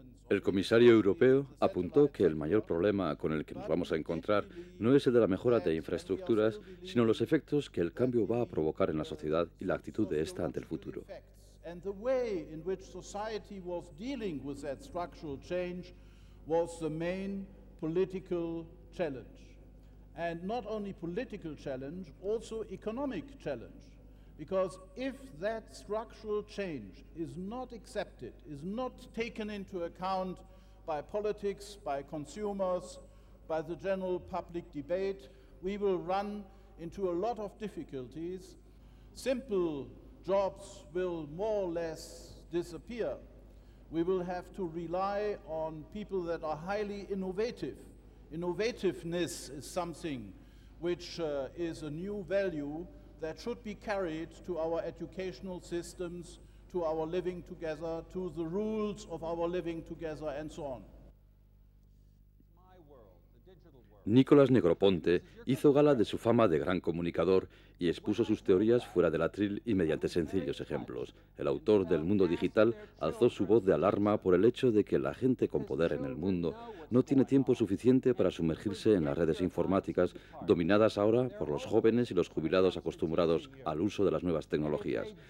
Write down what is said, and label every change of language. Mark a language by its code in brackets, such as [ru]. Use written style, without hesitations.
[es] El comisario europeo apuntó que el mayor problema con el que nos vamos a encontrar no es el de la mejora de infraestructuras, sino los efectos que el cambio va a provocar en la sociedad y la actitud de esta ante el futuro. [en] And the way in which society was dealing with that structural change was the main political challenge. And not only political challenge, also economic challenge. Because if that structural change is not accepted, is not taken into account by politics, by consumers, by the general public debate, we will run into a lot of difficulties. Simple jobs will more or less disappear. We will have to rely on people that are highly innovative. Innovativeness is something which is a new value that should be carried to our educational systems, to our living together, to the rules of our living together, and so on. [es] Nicolás Negroponte hizo gala de su fama de gran comunicador y expuso sus teorías fuera del atril y mediante sencillos ejemplos. El autor del Mundo Digital alzó su voz de alarma por el hecho de que la gente con poder en el mundo no tiene tiempo suficiente para sumergirse en las redes informáticas, dominadas ahora por los jóvenes y los jubilados acostumbrados al uso de las nuevas tecnologías.